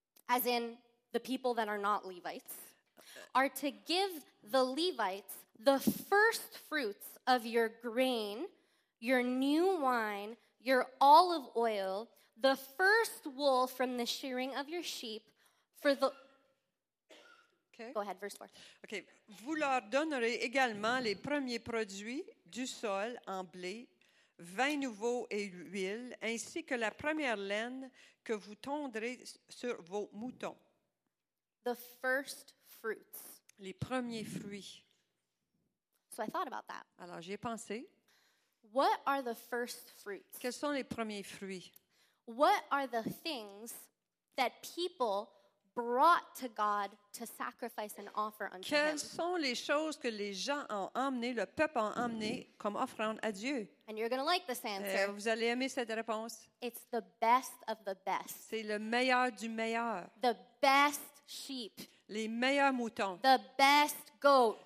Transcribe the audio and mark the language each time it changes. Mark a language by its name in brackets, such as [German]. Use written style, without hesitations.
[English] as in the people that are not Levites, are to give the Levites the first fruits of your grain, your new wine, your olive oil, the first wool from the shearing of your sheep, for the... Okay. Go ahead, verse 4. Okay. [French] Vous leur donnerez également les premiers produits du sol en blé, vin nouveau et huile, ainsi que la première laine que vous tondrez sur vos moutons. [English] The first fruits. [French] Les premiers fruits. [English] So I thought about that. [French] Alors, j'y ai pensé. [English] What are the first fruits? [French] Quels sont les premiers fruits? [English] What are the things that people brought to God to sacrifice and offer unto [French] quelles [English] him? [French] Quelles sont les choses que les gens ont emmené, le peuple a emmené comme offrande à Dieu? [English] And you're going to like this answer. [French] Vous allez aimer cette réponse. [English] It's the best of the best. [French] C'est le meilleur du meilleur. [English] The best sheep. Les meilleurs moutons. The best goat.